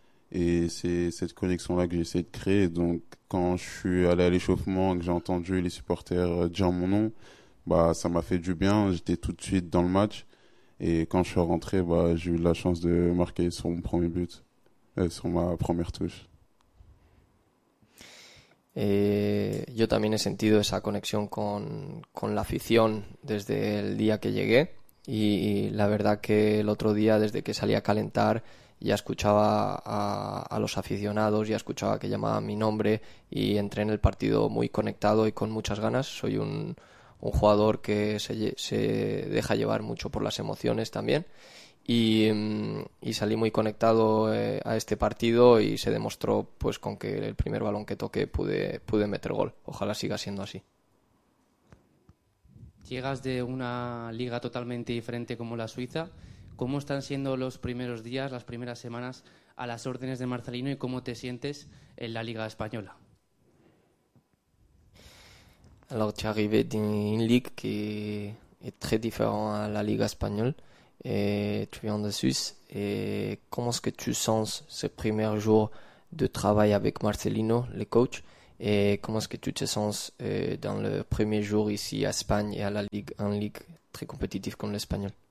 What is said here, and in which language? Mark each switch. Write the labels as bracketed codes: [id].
[fr] Et c'est cette connexion-là que j'ai essayé de créer. Donc, quand je suis allé à l'échauffement et que j'ai entendu les supporters dire mon nom, ça m'a fait du bien. J'étais tout de suite dans le match. Et quand je suis rentré, j'ai eu la chance de marquer sur mon premier but, sur ma première touche. [es] Yo también he sentido esa conexión con la afición desde el día que llegué y la verdad que el otro día desde que salí a calentar ya escuchaba a los aficionados, ya escuchaba que llamaban mi nombre y entré en el partido muy conectado y con muchas ganas. Soy un jugador que se deja llevar mucho por las emociones también y salí muy conectado a este partido y se demostró pues con que el primer balón que toqué pude meter gol. Ojalá siga siendo así. Llegas de una liga totalmente diferente como la Suiza. ¿Cómo están siendo los primeros días, las primeras semanas a las órdenes de Marcelino y cómo te sientes en la liga española? [fr] Alors, tu es arrivé d'une ligue qui est très différente à la liga española. Et tu viens de Suisse. Et comment est-ce que tu sens ce premier jour de travail avec Marcelino, le coach? Et comment est-ce que tu te sens dans le premier jour ici à Espagne et à la Ligue, en Ligue très compétitive comme l'Espagnol?